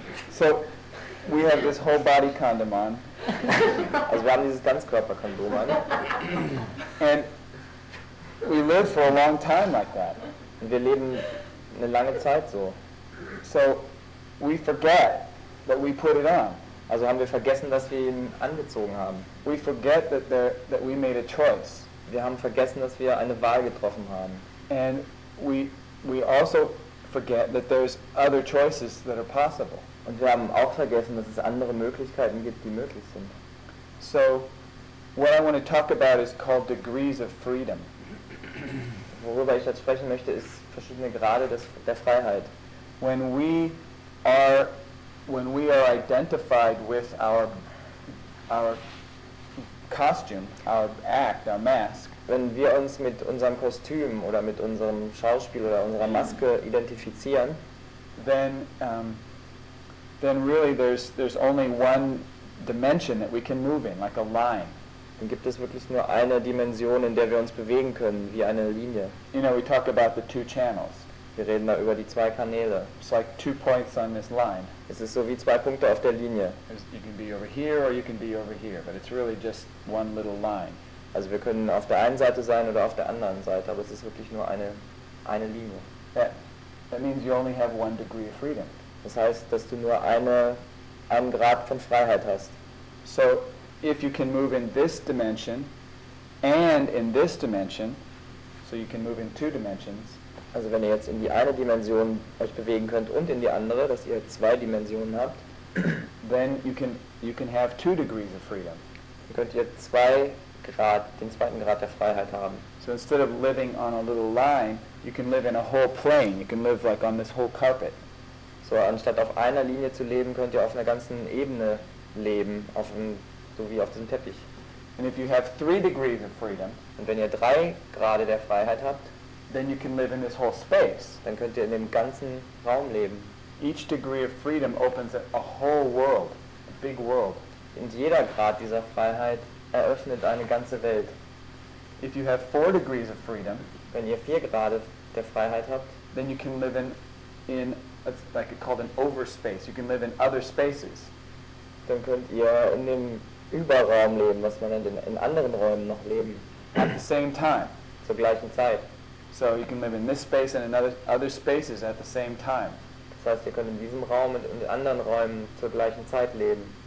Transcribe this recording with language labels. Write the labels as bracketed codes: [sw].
[en] So we have this whole body condom on. [de] Also wir haben dieses Ganzkörperkondom an. [en] And we live for a long time like that. [de] Und wir leben eine lange Zeit so. [en] So we forget that we put it on. [de] Also haben wir vergessen, dass wir ihn angezogen haben. [en] We forget that that we made a choice. [de] Wir haben vergessen, dass wir eine Wahl getroffen haben. [en] And we also forget that there's other choices that are possible. [de] Und wir haben auch vergessen, dass es andere Möglichkeiten gibt, die möglich sind. [en] So what I want to talk about is called degrees of freedom. [de] Worüber ich jetzt sprechen möchte, ist verschiedene Grade der Freiheit. [en] When we are identified with our costume, our act, our mask. [de] Wenn wir uns mit unserem Kostüm oder mit unserem Schauspiel oder unserer Maske identifizieren, [en] then really there's only one dimension that we can move in, like a line. [de] Dann gibt es wirklich nur eine Dimension, in der wir uns bewegen können, wie eine Linie. [en] You know, we talk about the two channels. [de] Wir reden da über die zwei Kanäle. [en] It's like two points on this line. [de] Es ist so wie zwei Punkte auf der Linie. [en] You can be over here or you can be over here, but it's really just one little line. [de] Also wir können auf der einen Seite sein oder auf der anderen Seite, aber es ist wirklich nur eine Linie. [en] That means you only have one degree of freedom. [de] Das heißt, dass du nur einen Grad von Freiheit hast. [en] So if you can move in this dimension and in this dimension, so you can move in two dimensions. [de] Also wenn ihr jetzt in die eine Dimension euch bewegen könnt und in die andere, dass ihr zwei Dimensionen habt, [en] then you can have two degrees of freedom. [de] Dann könnt ihr den zweiten Grad der Freiheit haben. [en] So instead of living on a little line, you can live in a whole plane. You can live like on this whole carpet. [de] So anstatt auf einer Linie zu leben, könnt ihr auf einer ganzen Ebene leben, so wie auf diesem Teppich. [en] And if you have three degrees of freedom, [de] und wenn ihr drei Grade der Freiheit habt, [en] then you can live in this whole space. [de] Dann könnt ihr in dem ganzen Raum leben. [en] Each degree of freedom opens a whole world, a big world. [de] Und jeder Grad dieser Freiheit eröffnet eine ganze Welt. [en] If you have 4 degrees of freedom, [de] wenn ihr 4 Grade der Freiheit habt, [en] then you can live in it's like it called an overspace. You can live in other spaces. [de] Dann könnt ihr in dem Überraum leben, was man nennt, in anderen Räumen noch leben. [en] At the same time. [de] Zur gleichen Zeit. [en] So you can live in this space and in other spaces at the same time. [de] Das heißt, ihr könnt in diesem Raum und in anderen Räumen zur gleichen Zeit leben.